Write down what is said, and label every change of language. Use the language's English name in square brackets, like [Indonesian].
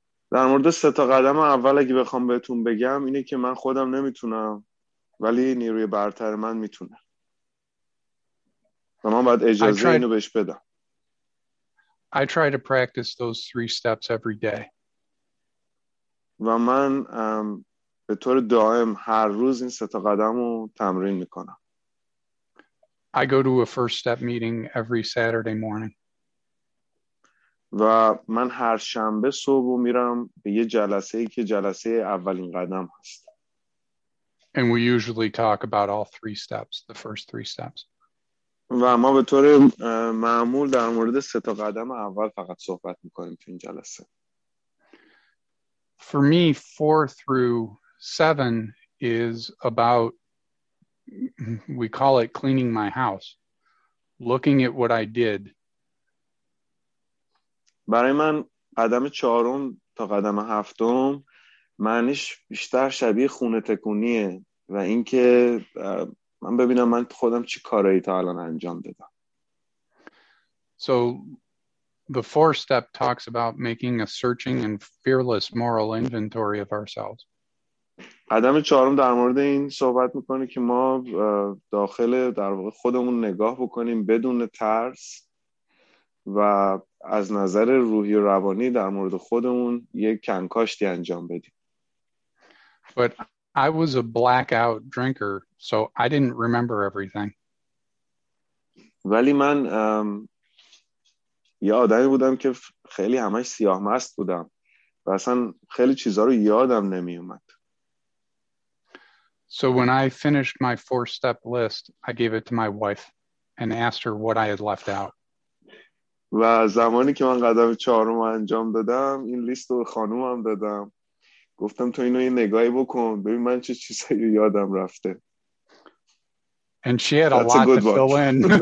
[Persian] در مورد سه تا قدم اول اگه بخوام بهتون بگم اینه که من خودم نمیتونم ولی نیروی برتر من میتونه. و من باید اجازه اینو بهش بدم. [English] I try to practice those three steps every day. [Persian] و من به طور دائم هر روز این سه تا قدم رو تمرین میکنم. [English] I go to a first step meeting every Saturday morning. [Persian] و من هر شنبه صبح میرم به یه جلسه ای که جلسه اولین قدم هست. [English] And we usually talk about all three steps, the first three steps. [Persian] و ما به طور معمول در مورد سه تا قدم اول فقط صحبت میکنیم تو این جلسه. [English] For me, 4 through 7 is about we call it cleaning my house, looking at what I did. [Persian] برای من قدم چهارم تا قدم هفتم معنیش بیشتر شبیه خونه تکونیه و اینکه من ببینم من خودم چی کارایی تا الان انجام دادم. [English] So the fourth step talks about making a searching and fearless moral inventory of ourselves. [Persian] قدم چهارم در مورد این صحبت میکنه که ما داخل در واقع خودمون نگاه بکنیم بدون ترس و از نظر روحی و روانی در مورد خودمون یک کنکاشتی انجام بدیم. [English] But I was a blackout drinker, so I didn't remember everything. [Persian] ولی من یه آدمی بودم که خیلی همش سیاه مست بودم و اصلا خیلی چیزها رو یادم نمی اومد. [English] So when I finished my four-step list, I gave it to my wife and asked her what I had left out. [Persian] و زمانی که من قدم چهارم انجام دادم این لیست رو خانومم دادم، گفتم تو اینو یه نگاهی بکن ببین من چه چیزایی یادم رفته. [English] And she had a lot to fill in.